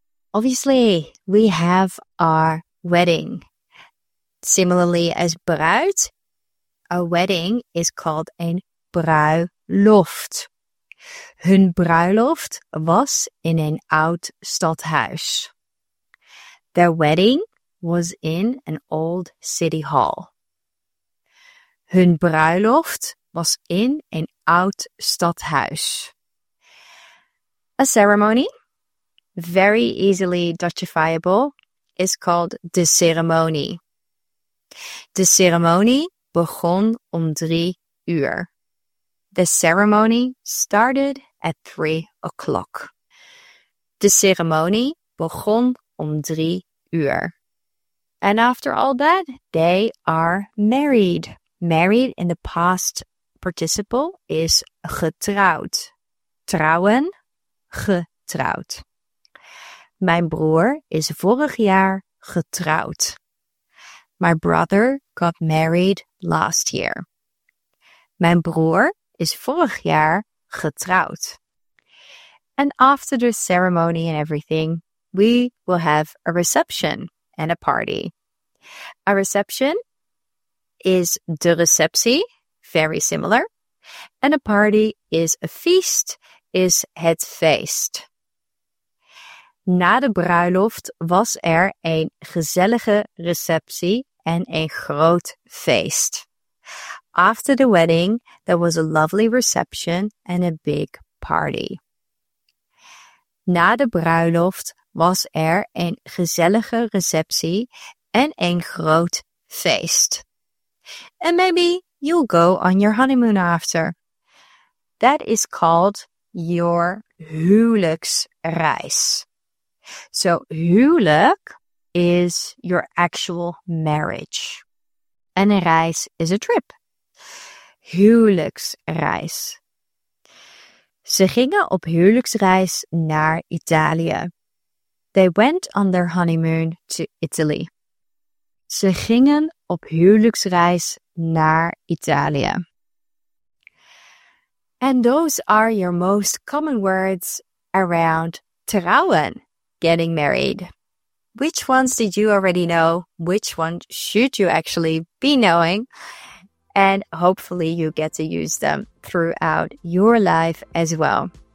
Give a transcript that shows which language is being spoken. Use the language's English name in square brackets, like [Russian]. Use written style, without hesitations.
[English] Obviously, we have our wedding. Similarly as bruid, a wedding is called een bruiloft. [Dutch] Hun bruiloft was in een oud stadhuis. [English] Their wedding was in an old city hall. [Dutch] Hun bruiloft was in een oud stadhuis. [English] A ceremony, very easily Dutchifiable, is called de ceremonie. [Dutch] De ceremonie begon om 3:00. [English] The ceremony started at 3:00. [Dutch] De ceremonie begon om 3:00. [English] And after all that, they are married. Married in the past participle is getrouwd. [Dutch] Trouwen, getrouwd. Mijn broer is vorig jaar getrouwd. [English] My brother got married last year. [Dutch] Mijn broer is vorig jaar getrouwd. [English] And after the ceremony and everything, we will have a reception and a party. A reception is de receptie, very similar. And a party is a feast, is het feest. [Dutch] Na de bruiloft was er een gezellige receptie en een groot feest. [English] After the wedding, there was a lovely reception and a big party. [Dutch] Na de bruiloft was er een gezellige receptie en een groot feest. [English] And maybe you'll go on your honeymoon after. That is called your huwelijksreis. So huwelijk is your actual marriage. And a reis is a trip. Huwelijksreis. [Dutch] Ze gingen op huwelijksreis naar Italië. [English] They went on their honeymoon to Italy. [Dutch] Ze gingen op huwelijksreis naar Italië. [English] And those are your most common words around trouwen, getting married. Which ones did you already know? Which one should you actually be knowing? And hopefully you get to use them throughout your life as well.